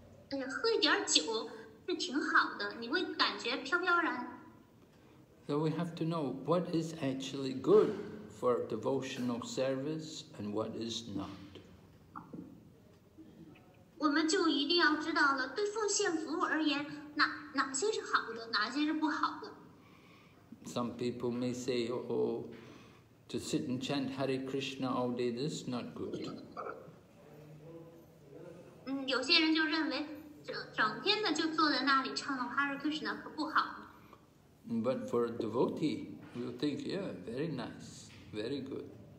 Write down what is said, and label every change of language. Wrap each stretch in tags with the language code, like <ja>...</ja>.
<zh>喝一点酒是挺好的，你会感觉飘飘然。</zh> <en>So we have to know what is actually good for devotional service and what is not.</en> <zh>我们就一定要知道了，对奉献服务而言，哪些是好的，哪些是不好的。</zh> <en>Some people may say, oh, to sit and chant Hare Krishna all day, this is not good.</en> <zh>有些人就认为</zh> <en>But for a devotee, you think, yeah, very nice, very good.</en>